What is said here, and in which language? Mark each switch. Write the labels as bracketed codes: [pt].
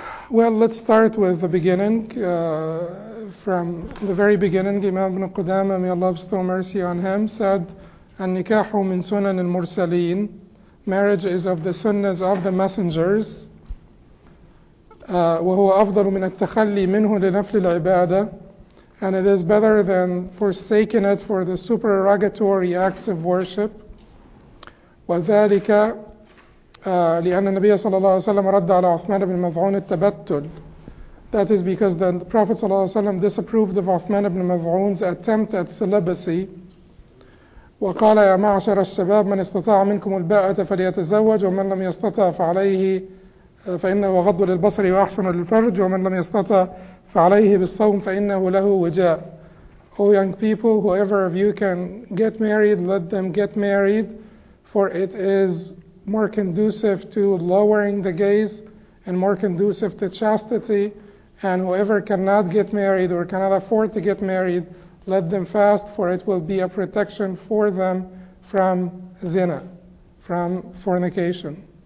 [en] Well, let's start with the beginning. From the very beginning, Imam ibn Qudama, may Allah bestow mercy on him, said, [ar] "An-nikahu min sunan al-mursaleen." [en] Marriage is of the sunnas of the messengers. [ar] وهو أفضل من التخلي منه لنفل العبادة, [en] and it is better than forsaking it for the supererogatory acts of worship. [ar] وذلك لأن النبي صلى الله عليه وسلم رد على عثمان بن مذعون التبتل. [en] That is because the Prophet [ar] صلى الله عليه وسلم [en] disapproved of Uthman ibn Maz'un's attempt at celibacy. [ar] وقال يا معشر الشباب من استطاع منكم الباءة فليتزوج ومن لم يستطع فعليه فإنه غض للبصر وأحسن للفرج ومن لم يستطع فعليه بالصوم فإنه له وجاء. [en] Oh young people, whoever of you can get married, let them get married, for it is more conducive to lowering the gaze and more conducive to chastity. And whoever cannot get married or cannot afford to get married, let them fast, for it will be a protection for them from zina, from fornication.